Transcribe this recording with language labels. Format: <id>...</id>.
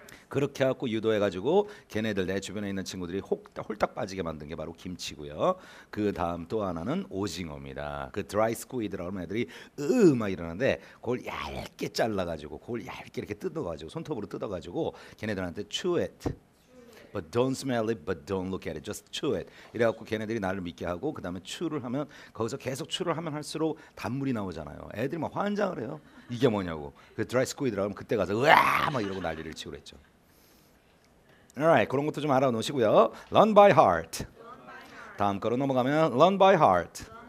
<ko>그렇게 하고 유도해가지고 걔네들 내 주변에 있는 친구들이 홀딱 빠지게 만든 게 바로 김치고요. 그 다음 또 하나는 오징어입니다. 그 드라이 스쿠이드라는 애들이 막 이러는데 그걸 얇게 잘라가지고 그걸 얇게 이렇게 뜯어가지고 손톱으로 뜯어가지고 걔네들한테</ko> <en>chew it. But don't smell it, but don't look at it. Just chew it.</en> <ko>이래갖고 걔네들이 나를 믿게 하고 그 다음에 chew를 하면 거기서 계속 chew를 하면 할수록 단물이 나오잖아요. 애들이 막 환장을 해요. 이게 뭐냐고. 그 드라이 스쿠이드라고 하면 그때 가서 으아 막 이러고 난리를 치고 그랬죠. Alright, 그런 것도 좀 알아놓으시고요.</ko> <en>Run by heart.</en> <ko>다음 거로 넘어가면 run by heart.</ko>